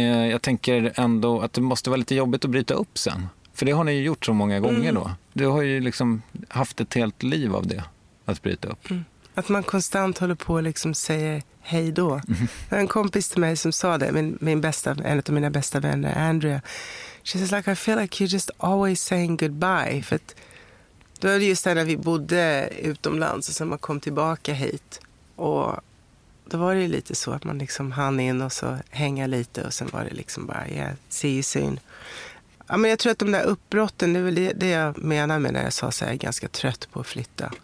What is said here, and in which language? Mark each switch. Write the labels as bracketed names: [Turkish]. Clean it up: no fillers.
[Swedish] Jag tänker ändå att det måste vara lite jobbigt att bryta upp sen. För det har ni ju gjort så många gånger då. Du har ju liksom haft ett helt liv av det, att bryta upp. Mm. Att man konstant håller på och liksom säger hej då. Mm. En kompis till mig som sa det, en av mina bästa vänner, Andrea. [English] She says like, I feel like you're just always saying goodbye. [Swedish] För att då var det just där när vi bodde utomlands och sen man kom tillbaka hit. Och då var det ju lite så att man liksom hann in och så hänga lite och sen var det liksom bara, [English] yeah, see you soon. [Swedish] Ja, men jag tror att de där uppbrotten, det är väl det jag menar med när jag sa så här, jag är ganska trött på att flytta.